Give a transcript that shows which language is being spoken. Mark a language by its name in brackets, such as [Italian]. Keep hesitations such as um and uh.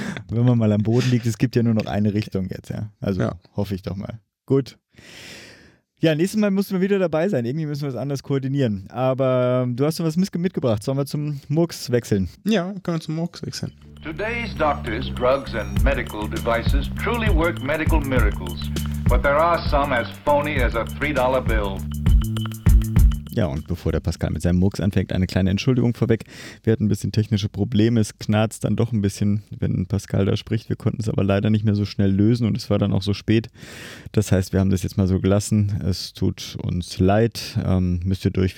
[German] Wenn man mal am Boden liegt, es gibt ja nur noch eine Richtung jetzt, ja. Also Ja. hoffe ich doch mal. Gut. Ja, nächstes Mal müssen wir wieder dabei sein. Irgendwie müssen wir es anders koordinieren. Aber ähm, du hast doch was mitge- mitgebracht. Sollen wir zum Murks wechseln? Ja, können wir zum Murks wechseln. [English] Today's doctors, drugs, and medical devices truly work medical miracles, but there are some as phony as a $3 bill. [German] Ja, und bevor der Pascal mit seinem Murks anfängt, eine kleine Entschuldigung vorweg. Wir hatten ein bisschen technische Probleme. Es knarzt dann doch ein bisschen, wenn Pascal da spricht. Wir konnten es aber leider nicht mehr so schnell lösen und es war dann auch so spät. Das heißt, wir haben das jetzt mal so gelassen. Es tut uns leid. Ähm, müsst ihr durch.